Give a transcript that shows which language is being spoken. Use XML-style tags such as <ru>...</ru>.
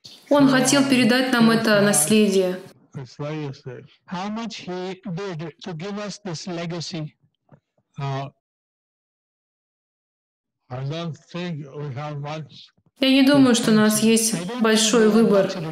<ru>Он хотел передать нам это наследие.</ru> <en>How much he did to give us this legacy. I don't think we have much.</en> <ru>Я не думаю, что у нас есть большой выбор.</ru>